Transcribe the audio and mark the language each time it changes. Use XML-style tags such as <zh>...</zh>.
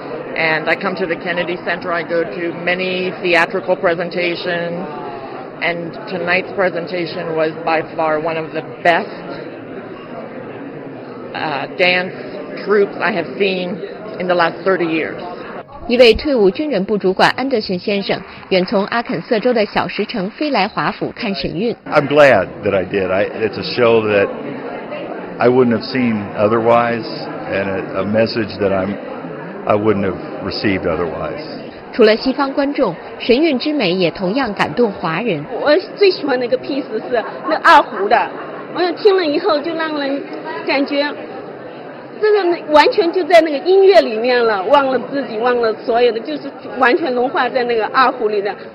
<en>And I come to the Kennedy Center. I go to many theatrical presentations, and tonight's presentation was by far one of the best dance troupes I have seen in the last 30 years.</en> <zh>一位退伍军人部主管安德逊先生远从阿肯色州的小石城飞来华府看神韵。</zh> <en>I'm glad that I did. It's a show that I wouldn't have seen otherwise, and a message that I wouldn't have received otherwise.</en> <zh>除了西方观众，神韵之美也同样感动华人。我最喜欢那个 piece 是那二胡的，我听了以后就让人感觉。这个完全就在那个音乐里面了，忘了自己，忘了所有的，就是完全融化在那个二胡里的。</zh>